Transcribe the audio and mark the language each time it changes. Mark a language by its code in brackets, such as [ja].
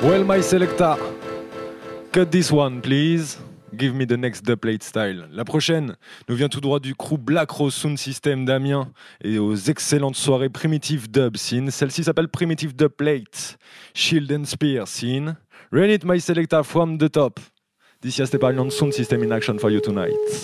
[en] My Selecta, cut this one please, give me the next dub plate style. [fr] La prochaine nous vient tout droit du crew Black Rose Sound System d'Amiens et aux excellentes soirées Primitive Dub Scene. Celle-ci s'appelle Primitive Dub Plate, Shield and Spear Scene. [en] Run it My Selecta from the top. This is Stepper Alliance Sound System in action for you tonight.